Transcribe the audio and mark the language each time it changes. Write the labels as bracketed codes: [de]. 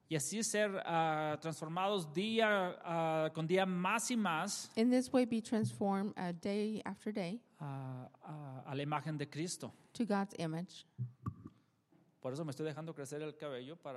[es] Y así ser transformados día con día más y más. [en] In this way be transformed day after day. [es] A la imagen de Cristo. [en] To God's image. [es] Por eso me estoy dejando crecer el cabello para.